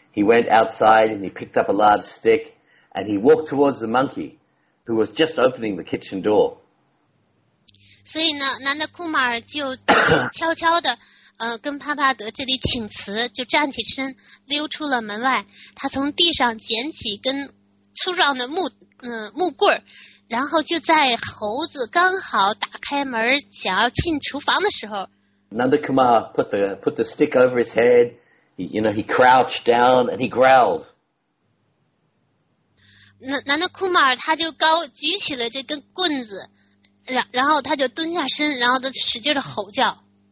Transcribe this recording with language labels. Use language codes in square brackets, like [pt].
[en] He went outside and he picked up a large stick and he walked towards the monkey who was just opening the kitchen door. [zh] 所以呢，南德库马尔就悄悄地跟帕帕德这里请辞，就站起身溜出了门外。他从地上捡起跟粗壮的木棍儿，然后就在猴子刚好打开门想要进厨房的时候， [en] Nanda Kumar put the stick over his head. He, you know, he crouched down and he growled. [zh] Nanda Kumar 他就高举起了这根棍子，然后他就蹲下身，然后他使劲的吼叫。